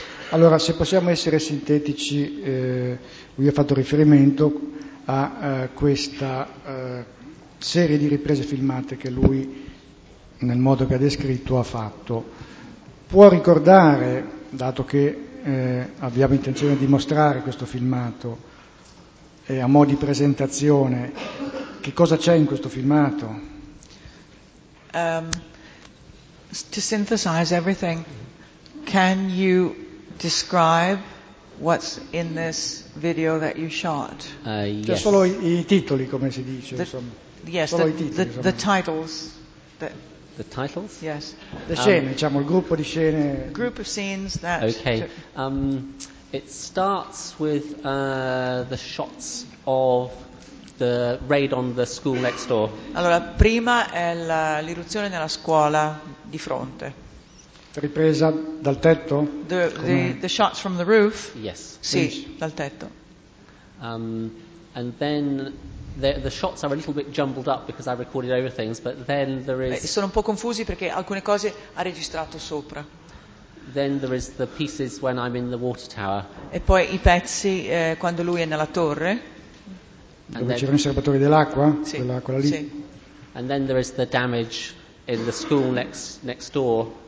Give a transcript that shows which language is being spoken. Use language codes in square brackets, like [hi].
[it] Allora, se possiamo essere sintetici, lui ha fatto riferimento a questa serie di riprese filmate che lui, nel modo che ha descritto, ha fatto. Può ricordare, dato che abbiamo intenzione di mostrare questo filmato, e a mo' di presentazione, che cosa c'è in questo filmato? [en] To synthesize everything, can you describe what's in this video that you shot? Yes. [it] C'è solo i titoli, come si dice, [en] the titles. The titles? Yes. [it] Le scene, diciamo, il gruppo di scene. [en] Group of scenes that... Okay. It starts with the shots of the raid on the school next door. [it] Allora, prima è l'irruzione nella scuola di fronte. Ripresa dal tetto? [en] The shots from the roof? Yes. [it] Sì, dal tetto. [en] And then the shots are a little bit jumbled up because I recorded over things, but then there is... [it] Sono un po' confusi perché alcune cose ha registrato sopra. [en] Then there is the pieces when I'm in the water tower. [it] E poi i pezzi quando lui è nella torre. Dove c'erano i serbatoi dell'acqua? Sì. Quella lì. Sì. [en] And then there is the damage in the school next door.